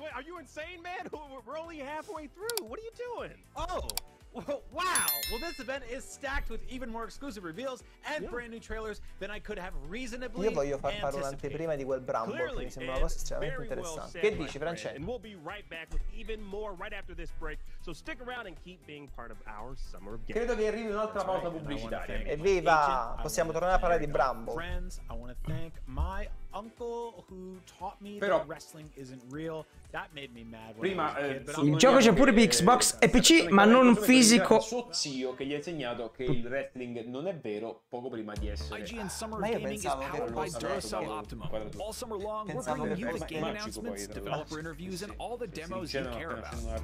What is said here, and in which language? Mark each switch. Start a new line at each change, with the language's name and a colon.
English: Wait, are you insane, man? We're only halfway through. What are you doing? Oh, wow. Well, this event is stacked with even more exclusive reveals and brand new trailers than I could have reasonably.
Italian: Io voglio far fare un'anteprima di quel Bramble, che mi sembra una cosa estremamente interessante. Well, che dici, Francesco?
English: And we'll be right back with even more right after this break. So stick around and keep being part of our summer game.
Italian: Credo che arrivi un'altra pausa pubblicitaria. Evviva! Possiamo tornare a parlare di Bramble.
English: Friends, I want to thank my uncle who taught me that wrestling isn't real. That made me mad.
Italian: Prima il gioco c'è pure per Xbox e PC, ma non fisico. Suo zio che gli ha insegnato che il wrestling non è vero poco prima di essere.
English: IGN Summer Gaming is powered by Duracell Optima. All summer long, we're bringing you the game announcements, developer interviews, and all the demos you care about.